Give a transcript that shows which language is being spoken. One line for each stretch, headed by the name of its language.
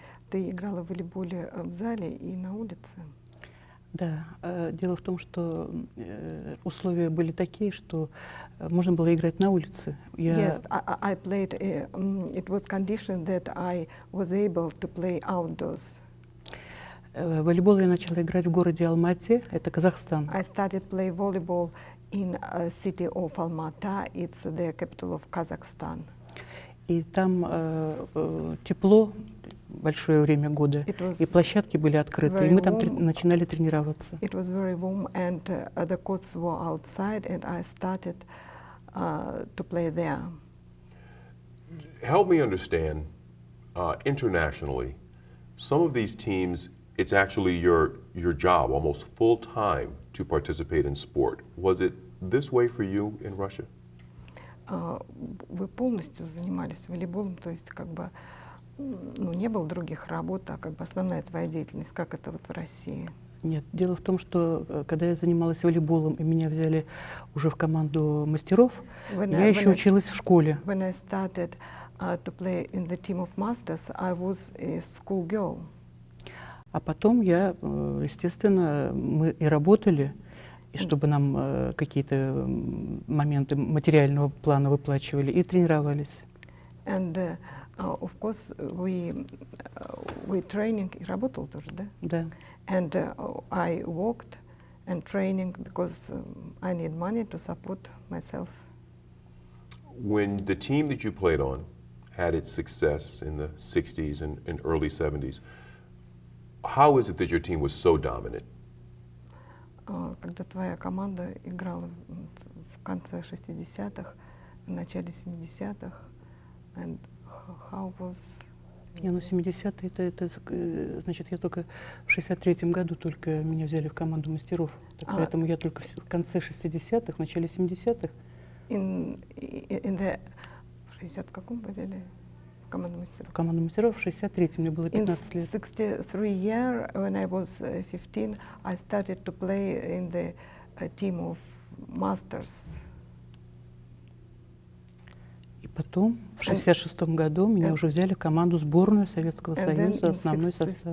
Russian: Ты играла в волейболе в зале и на улице? Да. Дело в том, что условия были такие, что можно было играть на улице.
English: Yes, I played. It was condition that I was able to play outdoors.
Russian: Волейбол я начала играть в городе Алматы, это Казахстан.
English: I started play volleyball in a city of Almaty. It's the capital of Kazakhstan.
Russian: И там тепло большое время года, и площадки были открыты, и мы там начинали тренироваться.
English: It was very warm, and the courts were outside, and I started to play there. Help me understand, internationally, some of these teams, it's actually your job, almost full-time, to participate in sport. Was it this way for you in Russia?
Russian: Вы полностью занимались волейболом, то есть как бы ну, не было других работ, а как бы основная твоя деятельность, как это вот в России? Нет, дело в том, что когда я занималась волейболом, и меня взяли уже в команду мастеров, училась в школе.
English: When I started to play in the team of masters, I was a school girl.
Russian: А потом я, естественно, мы и работали, и чтобы нам какие-то моменты материального плана выплачивали, и тренировались.
English: And, of course, we training, и работал тоже, да?
Russian: Да.
English: And I worked and training, because I need money to support myself. When the team that you played on had its success in the 60s and early 70s, how is it that your team was so dominant?
Russian: Когда твоя команда играла в конце 60-х, в начале 70-х,
English: And how was?
Russian: Не, ну 70-е, это значит, я только в 63-м году только меня взяли в команду мастеров. Так, поэтому я только в конце 60-х, в начале 70-х. В 60-м каком вы взяли в команду мастеров? В команду мастеров в 63-м, мне было 15 лет.
English: In 63 year, when I was 15, I started to play in the team of masters.
Russian: Потом, в 66-м году, меня уже взяли в команду сборную Советского Союза, основной состав.